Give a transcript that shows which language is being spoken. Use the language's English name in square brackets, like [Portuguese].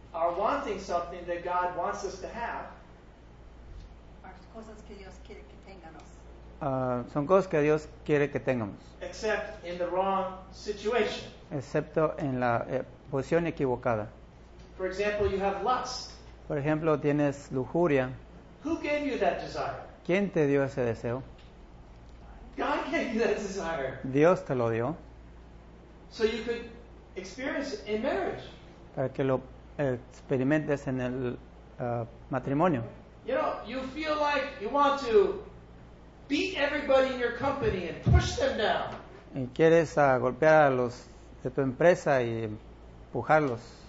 [English] are wanting something that God wants us to have. [Spanish] Cosas que Dios quiere que tengamos. Son cosas que Dios quiere que tengamos. [English] Except in the wrong situation. [Spanish] Excepto en la posición equivocada. [English] For example, you have lust. [Spanish] Por ejemplo, tienes lujuria. [English] Who gave you that desire? [Spanish] ¿Quién te dio ese deseo? [English] God gave you that desire. [Spanish] Dios te lo dio. [English] So you could experience it in marriage. [Spanish] Para que lo experimentes en el matrimonio. [English] You know, you feel like you want to beat everybody in your company and push them down. [Spanish] Y quieres golpear a los de tu empresa y empujarlos.